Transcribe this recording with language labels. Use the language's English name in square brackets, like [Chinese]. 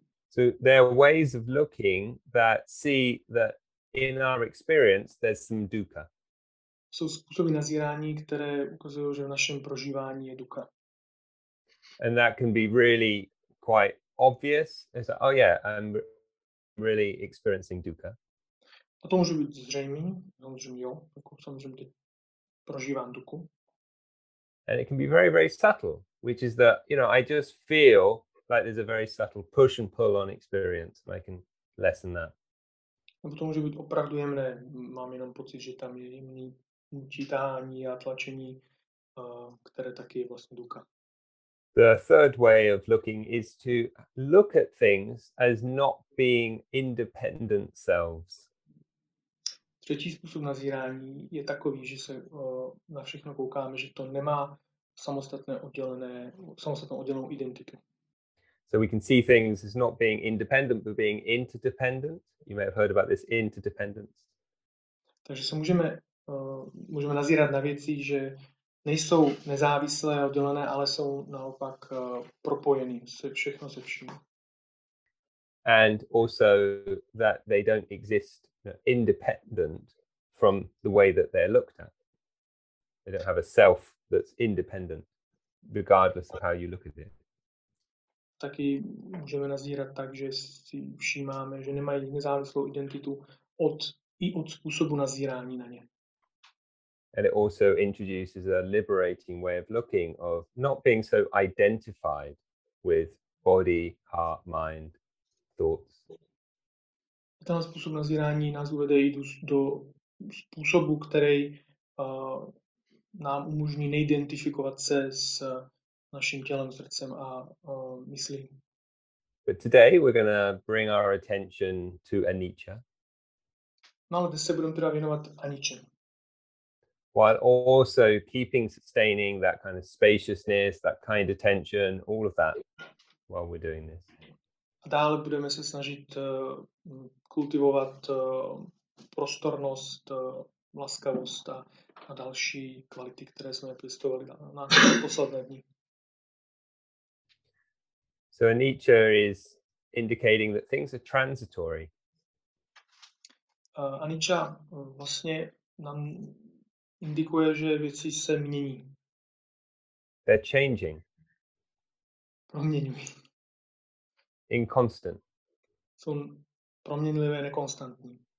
[English] So there are ways of looking that see that in our experience there's some dukkha. [Czech] Jsou způsoby nazírání, které ukazují, že v našem prožívání je dukkha. [English] And that can be really quite obvious. It's like, oh yeah, I'm really experiencing dukkha. [Czech] A to může být zřejmý, samozřejmě jo, jako samozřejmě teď prožívám dukku. [English] And it can be very, very subtle, which is that, you know, I just feel like there's a very subtle push and pull on experience, and I can lessen that. [Czech] Nebo to může být opravdu jemné, mám jenom pocit, že tam je jemný čítání a tlačení, které taky je vlastně dukkha. [English] The third way of looking is to look at things as not being independent selves. [Czech] Třetí způsob nazírání je takový, že se na všechno koukáme, že to nemá samostatnou oddělenou identitu. [English] So we can see things as not being independent, but being interdependent. You may have heard about this interdependence. [Czech] Takže se můžeme nazírat na věci, že nejsou nezávislé a oddělené, ale jsou naopak propojené se všechno se vším. [English] And also that they don't exist independent from the way that they're looked at. They don't have a self that's independent, regardless of how you look at it. [Czech] taky můžeme nazírat tak, že si všímáme, že nemají nezávislou identitu i od způsobu nazírání na ně. [English] And it also introduces a liberating way of looking, of not being so identified with body, heart, mind, thoughts. [Czech] Ten způsob nazírání nás uvede i do způsobu, který nám umožní neidentifikovat se s naším tělem, srdcem a myslí. [English] But today we're going to bring our attention to Aniccā. [Czech] No, ale dnes se budeme teda věnovat Aniccā. [English] While also keeping, sustaining that kind of spaciousness, that kind attention, all of that while we're doing this. [Czech] A dále budeme se snažit kultivovat prostornost, laskavost a další kvality, které jsme pěstovali na posledné dny. [English] So Aniccā is indicating that things are transitory. [Czech] Aniccā vlastně nám indikuje, že věci se mění. [English] They're changing. [Czech] Proměňují. [English] Inconstant. [Czech] Jsou proměnlivé, nekonstantní.